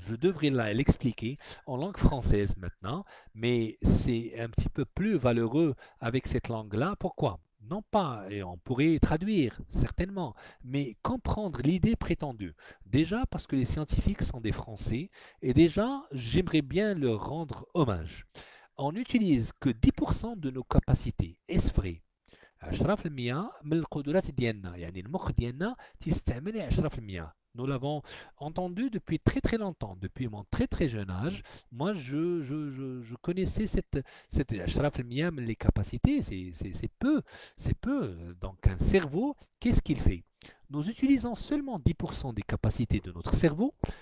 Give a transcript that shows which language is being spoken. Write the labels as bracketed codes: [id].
[fr] Je devrais l'expliquer en langue française maintenant, mais c'est un petit peu plus valeureux avec cette langue-là. Pourquoi? Non pas, et on pourrait traduire, certainement, mais comprendre l'idée prétendue. Déjà parce que les scientifiques sont des Français, et déjà, j'aimerais bien leur rendre hommage. On n'utilise que 10% de nos capacités, est-ce vrai? [ar] 10% من القدرات ديالنا, يعني المخ ديالنا تيستعمل 10%. [fr] Nous l'avons entendu depuis très très longtemps, depuis mon très très jeune âge. Moi, je connaissais cette 10% les capacités, c'est peu. Donc, un cerveau, qu'est-ce qu'il fait? Nous utilisons seulement 10% des capacités de notre cerveau.